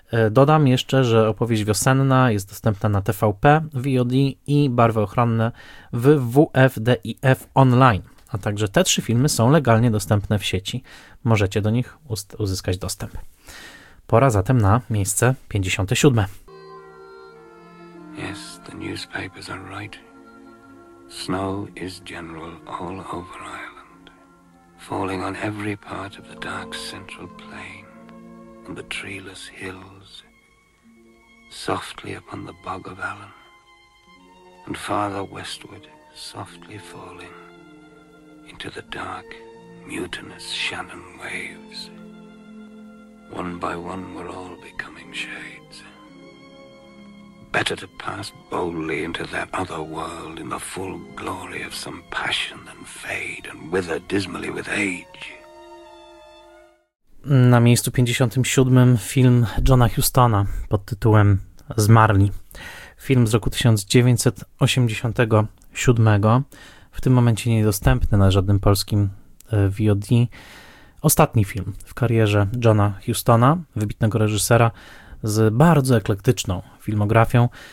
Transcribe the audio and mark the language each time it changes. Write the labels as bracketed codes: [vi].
[pl] Dodam jeszcze, że Opowieść wiosenna jest dostępna na TVP, VOD i Barwy ochronne w WFDIF online. a także te trzy filmy są legalnie dostępne w sieci. Możecie do nich uzyskać dostęp. Pora zatem na miejsce 57. [en] Yes, the newspapers are right. Snow is general all over Ireland, falling on every part of the dark central plain, on the treeless hills, softly upon the Bog of Allen, and farther westward, softly falling into the dark, mutinous Shannon waves. One by one we're all becoming shades. Better to pass boldly into that other world in the full glory of some passion than fade and wither dismally with age. [pl] Na miejscu 57 film Johna Hustona pod tytułem Zmarli. Film z roku 1987, w tym momencie niedostępny na żadnym polskim VOD. Ostatni film w karierze Johna Hustona, wybitnego reżysera, z bardzo eklektyczną filmografią.